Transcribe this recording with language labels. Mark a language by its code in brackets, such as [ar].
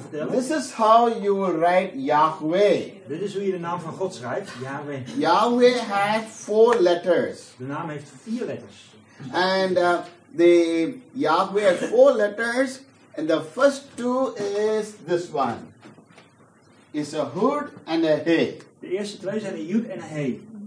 [en] This is how you will write Yahweh. [nl] Dit is hoe je de naam van God schrijft, Yahweh. [en] Yahweh has four letters. [nl] De naam heeft vier letters. [en] And the Yahweh has four letters, and the first two is this one. It's a hood and a hey. [nl] De eerste twee zijn een yud en een hey.